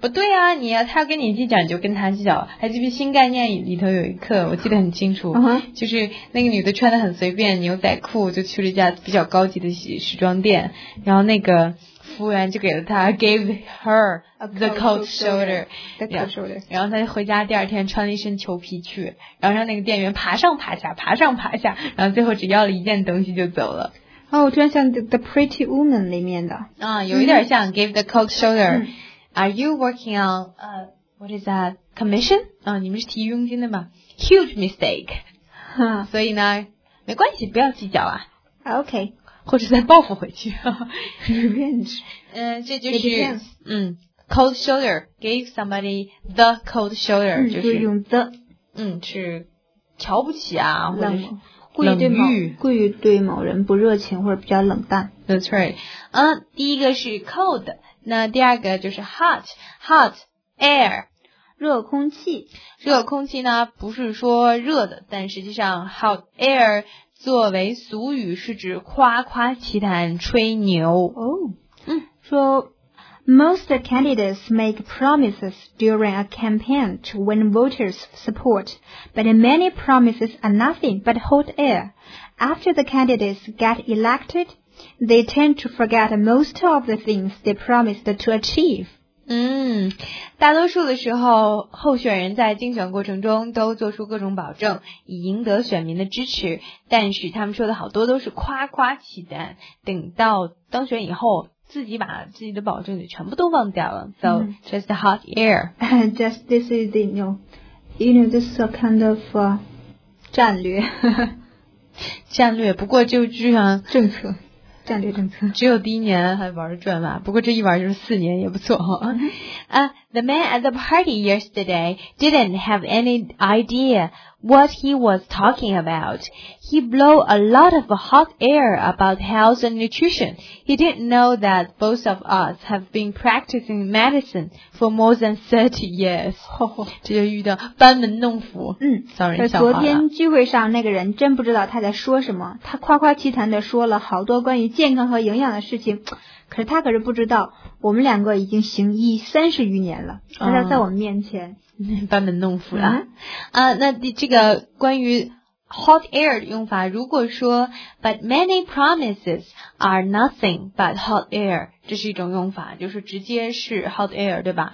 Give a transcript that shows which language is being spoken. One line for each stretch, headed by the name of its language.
Chinese: 不对啊，你要他跟你计较，你就跟他计较。还记得新概念里头有一课，我记得很清楚，就是那个女的穿得很随便，牛仔裤，就去了一家比较高级的时装店，然后那个服务员就给了他
English: gave her the cold shoulder，
Chinese: 然后他回家第二天穿了一身裘皮去，然后让那个店员爬上爬下爬上爬下，然后最后只要了一件东西就走了。我突然想 the Pretty Woman 里面的有一点像 gave the cold shoulder。
English: Are you working on what is that commission？
Chinese: 你们是提佣金的吗？
English: Huge mistake。
Chinese: 所以呢没关系，不要计较啊。
English: OK，
Chinese: 或者再报复回去。
English: Revenge. 这
Chinese: 就是
English: cold shoulder. Gave somebody the cold shoulder. 就是
Chinese: 用 the. 是瞧不起啊，或者是故意对某故意对某人不热情或者比较冷淡。
English: That's right.
Chinese: 第一个是 cold. 那第二个就是 hot.
English: Hot air.
Chinese: 热空气，热空气呢不是说热的，但实际上 hot air 作为俗语是指夸夸其谈吹牛。说
English: most candidates make promises during a campaign to win voters support, but many promises are nothing but hot air. After the candidates get elected, they tend to forget most of the things they promised to achieve.
Chinese: 嗯，大多数的时候，候选人在竞选过程中都做出各种保证，以赢得选民的支持，但是他们说的好多都是夸夸其谈，等到当选以后，自己把自己的保证就全部都忘掉了。
English: So, just hot air. And just this is the, you know, this is a kind of,
Chinese: 战略。战略，不过就是像政策。战略政策只有第一年还玩转嘛，不过这一玩就是四年也不错哈。
English: The man at the party yesterday didn't have any idea what he was talking about. He blew a lot of hot air about health and nutrition. He didn't know that both of us have been practicing medicine for more than 30 years.
Chinese: 这就遇到班门弄斧。嗯
English: ，sorry，
Chinese: 昨天聚会上那个人真不知道他在说什么，他夸夸其谈的说了好多关于健康和营养的事情。可是他可是不知道我们两个已经行医30余年了，他在我们面前班门弄斧了。那这个关于 hot air 的用法，如果说
English: but many promises are nothing but hot air，
Chinese: 这是一种用法，就是直接是 hot air 对吧、